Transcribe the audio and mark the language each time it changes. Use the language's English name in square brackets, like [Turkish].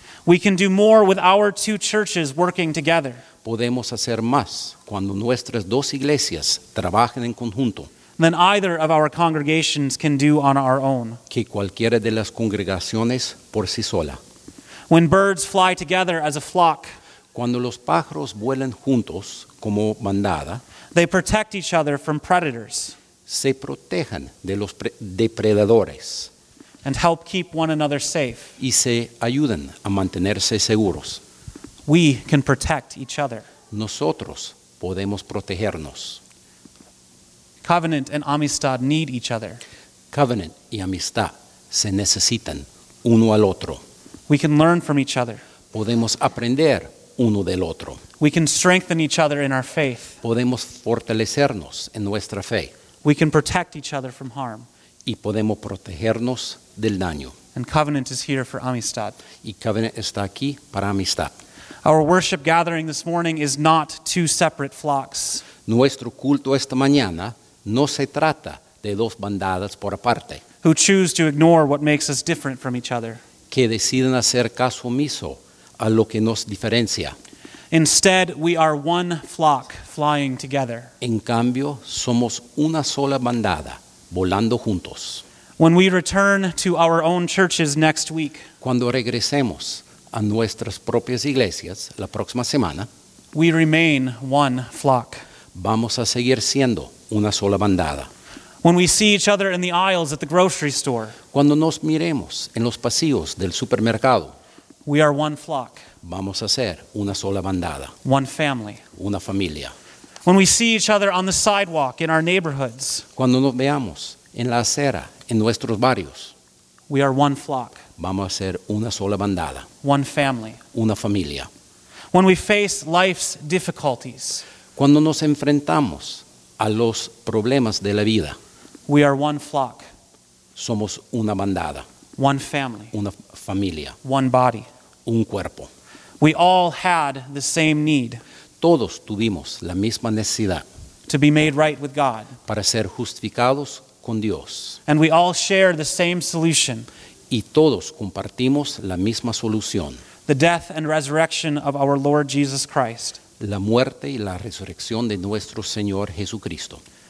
[English] We can do more with our two churches working together. [Spanish] Podemos hacer más cuando nuestras dos iglesias trabajen en conjunto. [English] Than either of our congregations can do on our own. [Spanish] Que cualquiera de las congregaciones por sí sola. [English] When birds fly together as a flock, [Spanish] cuando los pájaros vuelan juntos como bandada, [English] they protect each other from predators. [Spanish] Se protegen de los depredadores. [English] And help keep one another safe. [Spanish] Y se ayudan a mantenerse seguros. [English] We can protect each other. [Spanish] Nosotros podemos protegernos. [English] Covenant and Amistad need each other. [Spanish] Covenant y Amistad se necesitan uno al otro. [English] We can learn from each other. [Spanish] Podemos aprender uno del otro. [English] We can strengthen each other in our faith. [Spanish] Podemos fortalecernos en nuestra fe. [English] We can protect each other from harm. [Spanish] Y podemos protegernos del daño. [English] And Covenant is here for Amistad. [Spanish] Y Covenant está aquí para Amistad. [English] Our worship gathering this morning is not two separate flocks. [Spanish] Nuestro culto esta mañana no se trata de dos bandadas por aparte. [English] Who choose to ignore what makes us different from each other. [Spanish] Que deciden hacer caso omiso a lo que nos diferencia. [English] Instead, we are one flock flying together. [Spanish] En cambio, somos una sola bandada volando juntos. [English] When we return to our own churches next week, [Spanish] cuando regresemos a nuestras propias iglesias la próxima semana, [English] we remain one flock. [Spanish] Vamos a seguir siendo una sola bandada. [English] When we see each other in the aisles at the grocery store, [Spanish] cuando nos miremos en los pasillos del supermercado, [English] we are one flock. [Spanish] Vamos a ser una sola bandada. [English] One family. [Spanish] Una familia. [English] When we see each other on the sidewalk in our neighborhoods, [Spanish] cuando nos veamos en la acera en nuestros barrios, [English] we are one flock. [Spanish] Vamos a ser una sola bandada. [English] One family. [Spanish] Una familia. [English] When we face life's difficulties, [Spanish] cuando nos enfrentamos a los problemas de la vida, [English] we are one flock. [Spanish] Somos una bandada. [English] One family. [Spanish] Una familia. [English] One body. [Spanish] Un cuerpo. [English] We all had the same need. [Spanish] Todos tuvimos la misma necesidad. [English] To be made right with God. [Spanish] Para ser justificados con Dios. [English] And we all share the same solution. [Spanish] Y todos compartimos la misma solución. [English] The death and resurrection of our Lord Jesus Christ. [Spanish] La muerte y la resurrección de nuestro Señor Jesucristo.